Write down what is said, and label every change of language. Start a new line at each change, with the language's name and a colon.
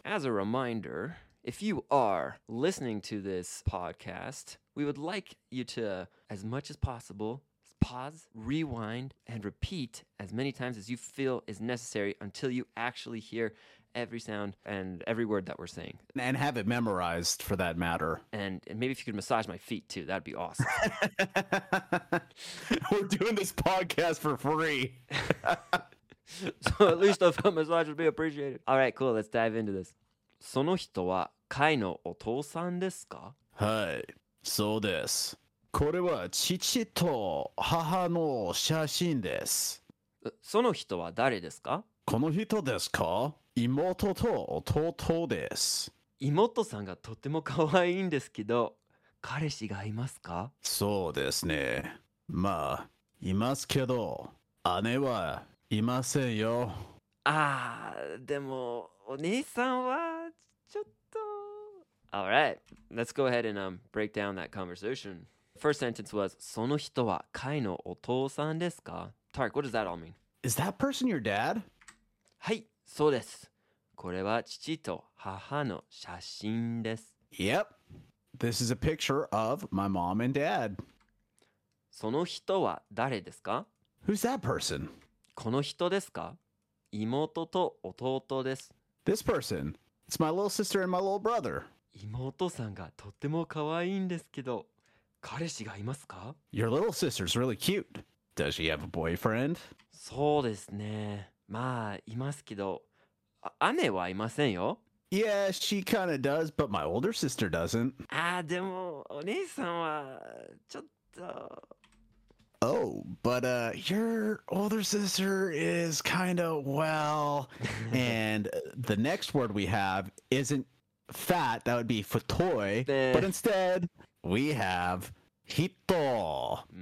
English: As a reminder, if you are listening to this podcast, we would like you to, as much as possible, pause, rewind, and repeat as many times as you feel is necessary until you actually hear every sound and every word that we're saying. And have it memorized, for that matter. And maybe if you could massage my feet, too. That'd be awesome. We're doing this podcast for free. So at least a foot massage would be appreciated. All right, cool. Let's dive into this.
Japanese: その人はカイのお父さんですか? はい、そうです。これは父と母の写真です。その人は誰ですか? この人ですか?妹と弟です。妹さんがとても可愛いんですけど、彼氏がいますか? そうですね。まあ、いますけど、姉はいませんよ。ああ、でも、お姉さんはちょっと。
English: All right, let's go ahead and break down that conversation. First sentence was,
Japanese: その人はカイのお父さんですか?
English: Tark, what does that all mean? Is that person your dad?
Japanese: はい。そうです。これは父と母の写真です。
English: Yep. This is a picture of my mom and dad.
Japanese: その人は誰ですか?
English: Who's that person?
Japanese: この人ですか?妹と弟です。
English: This person. It's my little sister and my little brother.
Japanese: 妹さんがとても可愛いんですけど、彼氏がいますか?
English: Your little sister's really cute. Does she have a boyfriend?
Japanese: そうですね。まあ、いますけど、姉はいませんよ。
English: Yeah, she kind of does, but my older sister doesn't.
Japanese: ああ、でも、お姉さんは、ちょっと。
English: Oh, but your older sister is kind of, well, and the next word we have isn't fat, that would be futoi, but instead we have hito.